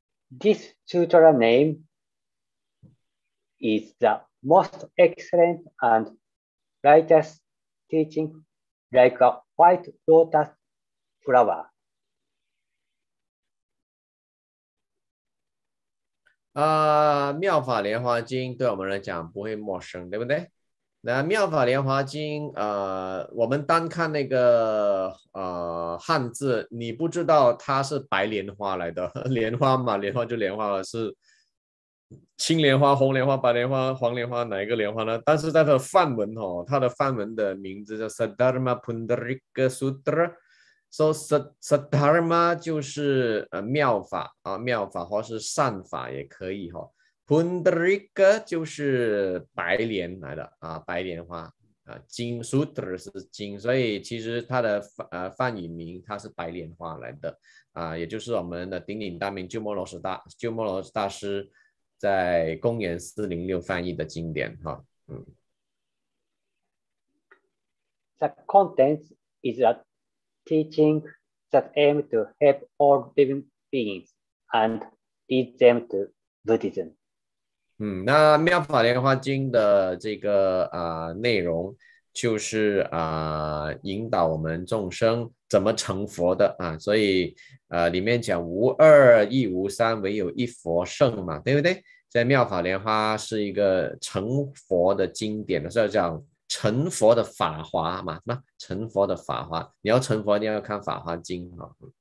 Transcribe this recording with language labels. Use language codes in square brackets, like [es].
[en] This sutra name is the most excellent and brightest teaching, like a white lotus flower. [zh] 《妙法莲华经》对我们来讲不会陌生，对不对？那《妙法莲华经》我们单看那个汉字，你不知道它是白莲花来的，莲花嘛，莲花就莲花了，是青莲花、红莲花、白莲花、黄莲花哪一个莲花呢？但是在它的梵文哦，它的梵文的名字叫 Saddharma Pundarika Sutra。 So Saddharma 就是妙法啊，妙法或是善法也可以哈。 Pundarika 就是白莲来的啊，白莲花啊，经 Sutra 是经，所以其实它的梵语名它是白莲花来的啊，也就是我们的鼎鼎大名鸠摩罗什大鸠摩罗什大师在公元406翻译的经典哈。 [en] The contents is a teaching that aim to help all living beings and lead them to Buddhism. [zh] 那妙法莲华经的这个内容就是引导我们众生怎么成佛的啊，所以里面讲无二亦无三，唯有一佛圣嘛，对不对？在妙法莲华是一个成佛的经典，所以讲成佛的法华嘛，那成佛的法华，你要成佛，你要看《法华经》啊。